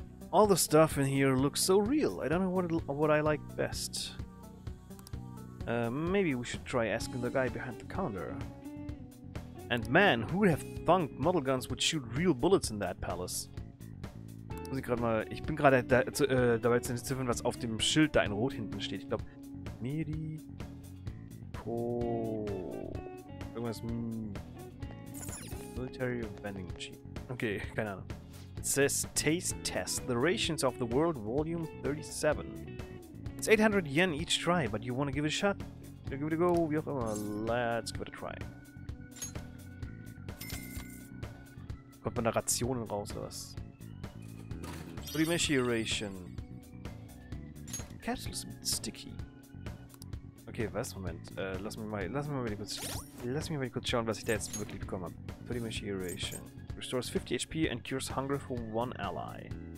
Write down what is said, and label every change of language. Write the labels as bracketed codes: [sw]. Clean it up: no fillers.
[en] All the stuff in here looks so real, I don't know what I like best. Maybe we should try asking the guy behind the counter. And man, who'd have thunk model guns would shoot real bullets in that palace? [de] Muss ich gerade mal. Ich bin gerade da, dabei zu entziffern, was auf dem Schild da in Rot hinten steht. Ich glaube. Miri. Po. Irgendwas. [en] Military Vending Machine. Okay, [de] keine Ahnung. [en] It says Taste Test, the Rations of the World, Volume 37. It's 800 yen each try, but you wanna give it a shot? You give it a go, [de] wie auch immer. [en] Let's give it a try. [de] Kommt man da Rationen raus oder was? [en] Rimeshi Ration. [de] Capsule ist sticky. Okay, was? Moment. Lass mich mal kurz schauen, was ich da jetzt wirklich bekommen habe. [en] Rimeshi Ration. Restores 50 HP and cures hunger for one ally.